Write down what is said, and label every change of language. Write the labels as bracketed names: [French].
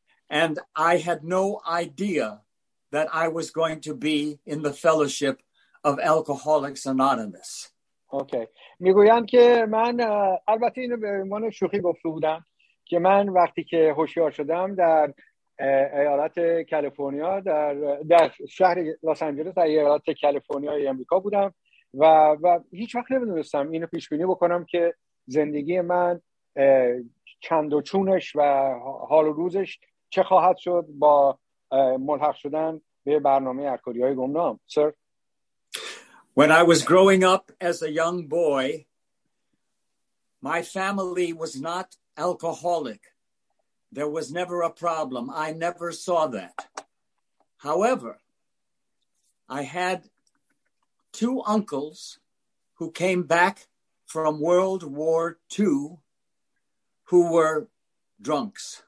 [English] And I had no idea that I was going to be in the Fellowship of Alcoholics Anonymous. Okay. [Persian] میگویند که من البته اینو به عنوان شوخی گفته بودم که من وقتی که هوشیار شدم در ایالت کالیفرنیا در شهر لس آنجلس در ایالت کالیفرنیای آمریکا بودم و هیچ وقت نمیدونستم اینو پیش بینی بکنم که زندگی من چند و چونش و حال و روزش چه خواهد شد با ملحق شدن به برنامه الکلی‌های گمنام. [English] سر، When I was growing up as a young boy, my family was not alcoholic. There was never a problem. I never saw that. However, I had two uncles who came back from World War II who were drunks.